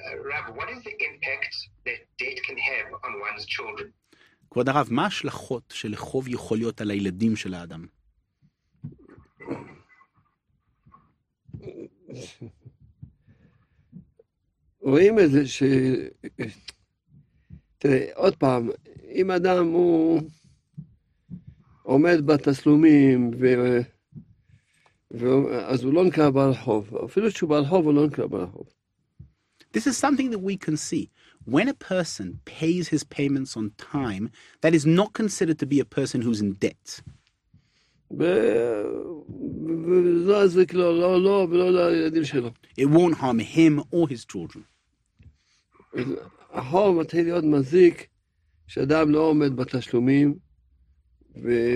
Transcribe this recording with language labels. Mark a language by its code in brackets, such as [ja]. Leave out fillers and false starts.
[en] Rav, what is the impact that debt can have on one's children? [he] כבוד הרב, מה השלכות של חוב יכול להיות על הילדים של האדם? רואים את זה ש... תראה, עוד פעם, אם אדם הוא עומד בתסלומים ו... ו... אז הוא לא נקרא בעל חוב. אפילו שהוא בעל חוב, הוא לא נקרא בעל חוב. [en] This is something that we can see. When a person pays his payments on time, that is not considered to be a person who's in debt. [he] וזה זה כאילו לא לו ולא לילדים שלו. [en] It won't harm him or his children. [he] החוב מתחיל להיות מזיק שאדם לא עומד בתשלומים ו...